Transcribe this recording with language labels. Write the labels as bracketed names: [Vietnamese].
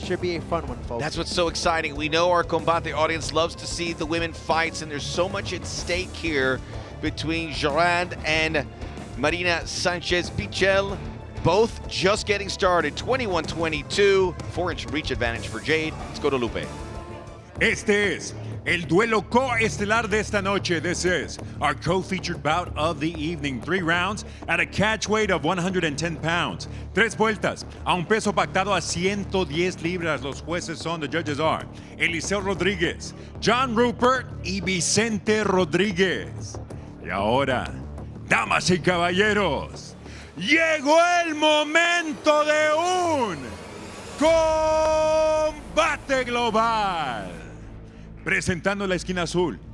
[English] Should be a fun one, folks. That's what's so exciting. We know our Combate audience loves to see the women fights, and there's so much at stake here between Jorand and Marina Sanchez Pichel, both just getting started. 21-22, 4-inch reach advantage for Jade. Let's go to Lupe. [Spanish] Este es el duelo coestelar de esta noche. [English] This is our co-featured bout of the evening. Three rounds at a catch weight of 110 pounds. [Spanish] Tres vueltas a un peso pactado a 110 libras. Los jueces son, [English] the judges are, [Spanish] Eliseo Rodriguez, John Rupert, y Vicente Rodriguez. Y ahora, damas y caballeros, llegó el momento de un combate global. Presentando la esquina azul,